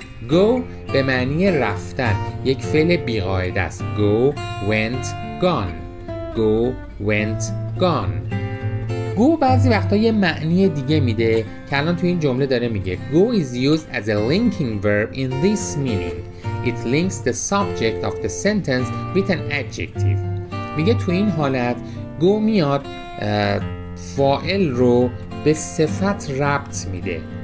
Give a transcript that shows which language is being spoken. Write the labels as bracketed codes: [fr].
[fa] Go به معنی رفتن، یک فعل بی‌قاعده است. [en] Go went gone. [fa] Go بعضی وقتا یه معنی دیگه میده که الان تو این جمله داره میگه. [en] Go is used as a linking verb in this meaning. It links the subject of the sentence with an adjective. [fa] میگه تو این حالت go میاد فاعل رو به صفت ربط میده.